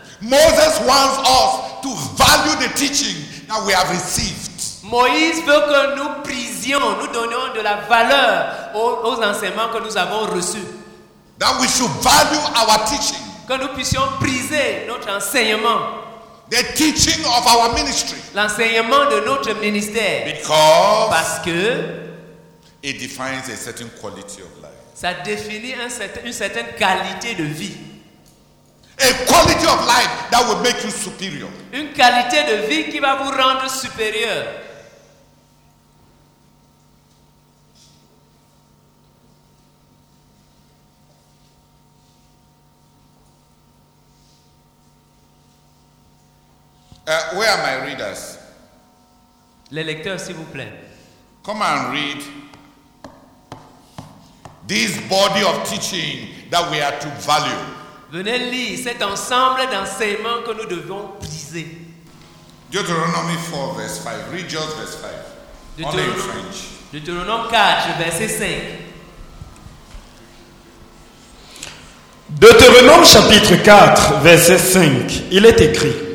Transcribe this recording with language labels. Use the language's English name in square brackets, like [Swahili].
[English] Moses wants us to value the teaching that we have received. [French] Moïse veut que nous prisions, nous donnions de la valeur aux enseignements que nous avons reçus. [English] That we should value our teaching. [French] Que nous puissions priser notre enseignement. [English] The teaching of our ministry. [French] L'enseignement de notre ministère. [English] Because [French] parce que [English] it defines a certain quality of life. [French] Ça définit une certaine qualité de vie. [English] A quality of life that will make you superior. [French] Une qualité de vie qui va vous rendre supérieur. [English] Where are my readers? [French] Les lecteurs, s'il vous plaît. [English] Come and read this body of teaching that we are to value. [French] Venez lire cet ensemble d'enseignements que nous devons briser. [English] Deuteronomy 4, verse 5. Read just verse 5. Only in French. [French] Deuteronomy 4, verset 5. Deutéronome chapitre 4, verset 5. Il est écrit.